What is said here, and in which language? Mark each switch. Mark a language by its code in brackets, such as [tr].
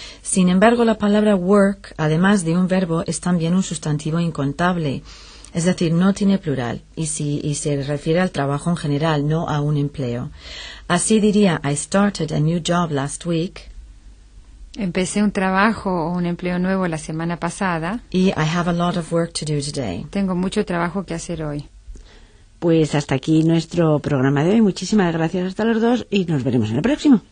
[es] Sin embargo, la palabra work, además de un verbo, es también un sustantivo incontable. Es decir, no tiene plural y se refiere al trabajo en general, no a un empleo. Así diría, [en] I started a new job last week. [es] Empecé un trabajo o un empleo nuevo la semana pasada. [en] Y I have a lot of work to do today. [es] Tengo mucho trabajo que hacer hoy. Pues hasta aquí nuestro programa de hoy. Muchísimas gracias a los dos y nos veremos en el próximo.